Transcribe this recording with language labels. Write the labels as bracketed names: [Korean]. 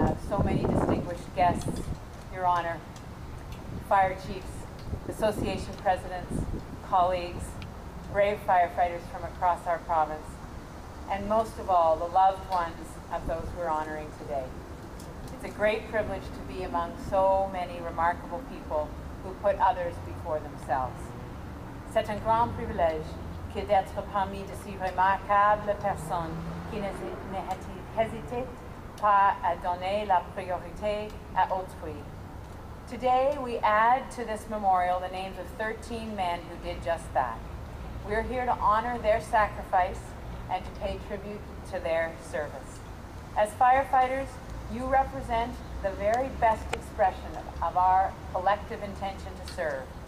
[English] So many distinguished guests, Your Honor, fire chiefs, association presidents, colleagues, brave firefighters from across our province, and most of all, the loved ones of those we're honoring today. It's a great privilege to be among so many remarkable people who put others before themselves. [French] C'est un grand privilège que d'être parmi de ces remarquables personnes qui n'hésitent pas à donner la priorité à autrui. [English] Today, we add to this memorial the names of 13 men who did just that. We are here to honor their sacrifice and to pay tribute to their service. As firefighters, you represent the very best expression of our collective intention to serve.